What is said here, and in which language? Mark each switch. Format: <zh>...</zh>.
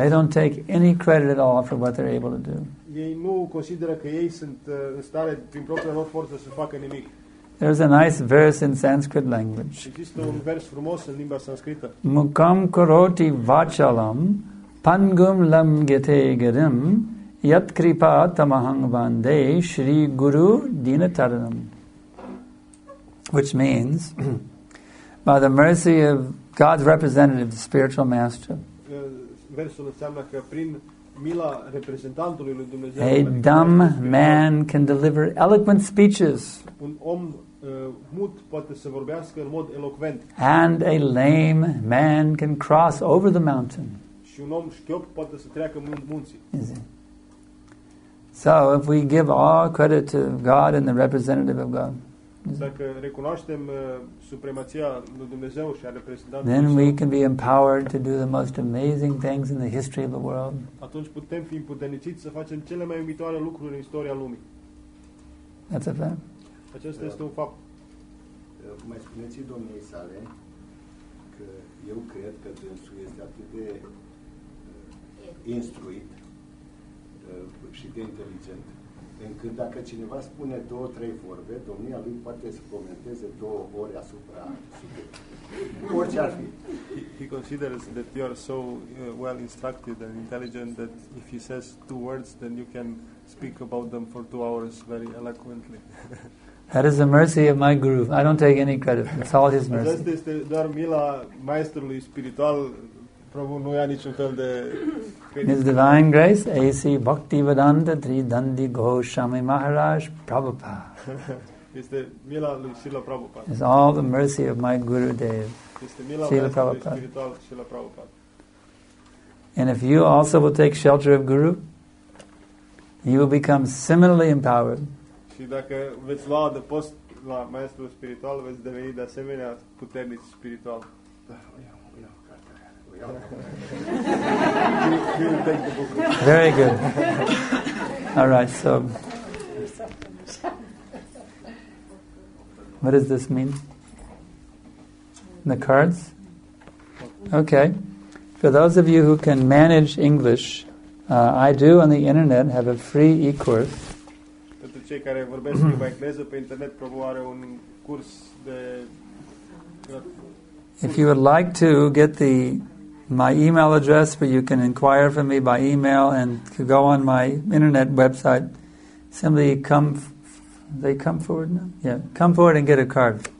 <en>they don't take any credit at all for what they're able to do.</en> <ro>Ei nu consideră că ei sunt în stare prin propria lor forță să facă nimic.</ro> <en>There's a nice verse in Sanskrit language.</en> <ro>Există un vers frumos în limba sanscrită.</ro> <sa>Mukam karoti vachalam pangum lam gete garam yat kripa tamahang vande shri guru dinataranam.</sa> <en>Which means, by the mercy of God's representative, the spiritual master,</en> <ro>versul înseamnă că prin mila reprezentantului lui Dumnezeu,</ro> <en>a dumb man can deliver eloquent speeches.</en> <ro>Un om mut poate să vorbească în mod elocvent.</ro> <en>And a lame man can cross over the mountain.</en> <ro>Și un om șchiop poate să treacă munții.</ro> <en>So if we give all credit to God and the representative of God,</en> <ro>dacă recunoaștem supremația lui Dumnezeu și a reprezentantului,</ro> <en>then we can be empowered to do the most amazing things in the history of the world.</en> <ro>Atunci putem fi împuterniciți să facem cele mai uimitoare lucruri în istoria lumii.</ro> <en>That's a fact.</en> <ro>Acesta este un fapt. Mai spuneți domniei sale că eu cred că dânsul este atât de instruit și de inteligent, încât dacă cineva spune două, trei vorbe, domnia lui poate să comenteze două ori asupra subiectului. Orice ar fi.</ro> <en>He considers that you are so well instructed and intelligent that if he says two words, then you can speak about them for 2 hours very eloquently. That is the mercy of my guru. I don't take any credit. It's all his mercy.</en> <ro>Asta este doar mila maestrului spiritual. Prabhu nu ia niciun fel de credit.</ro> <en>His divine grace, A.C. Bhaktivedanta Tridandi Goswami Maharaj Prabhupada.</en> <ro>Este mila lui Srila Prabhupada.</ro> <en>It's all the mercy of my Gurudev.</en> <ro>Este mila maestrului spiritual Srila Prabhupada.</ro> <en>And if you also will take shelter of Guru, you will become similarly empowered.</en> <ro>Și dacă veți lua de post la maestru spiritual, veți deveni de asemenea puternic spiritual.</ro> <en>Very good. All right, so what does this mean? The cards? Okay. For those of you who can manage English, I do on the internet have a free e-course.</en> <ro>Pentru cei care vorbesc limba engleză pe internet, Prabhu are un curs de.</ro> <en>If you would like to get the my email address, where you can inquire for me by email and could go on my internet website, simply come forward now. Yeah, come forward and get a card.</en>